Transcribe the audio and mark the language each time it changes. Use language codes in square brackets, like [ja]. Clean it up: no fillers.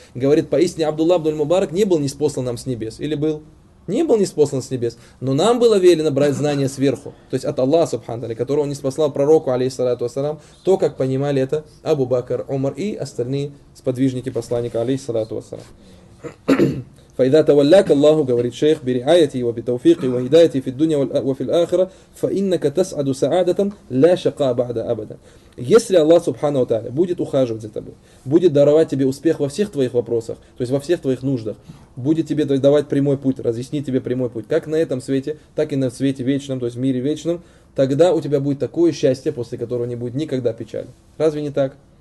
[ru] Говорит, поистине Абдулла ибн аль-Мубарак не был ниспослан нам с небес. Или был? Не был ниспослан с небес. Но нам было велено брать знания сверху. То есть от Аллаха, субханаллах, которого он ниспослал пророку, алейхиссалату ассалам, то, как понимали это Абу Бакр, Умар и остальные сподвижники посланника, алейхиссалату ассалам. [ar] فَإِذَا تَوَلَّاكَ اللَّهُ [ru] говорит шейх [ar] بِرِعَايَتِهِ وَبِتَوْفِيقِهِ وَهِدَايَتِهِ فِي الدُّنْيَا وَفِي الْآخِرَةِ فَإِنَّكَ تَسْعَدُ سَعَادَةً لَا شَقَى بَعْدَ أَبَدًا. [ru] Если Аллах Субхану ва Тааля будет ухаживать за тобой, будет даровать тебе успех во всех твоих вопросах, то есть во всех твоих нуждах, будет тебе давать прямой путь, разъяснить тебе прямой путь, как на этом свете, так и на свете вечном, то есть в мире вечном, тогда у тебя будет такое счастье, после которого не будет никогда печали. Разве не так?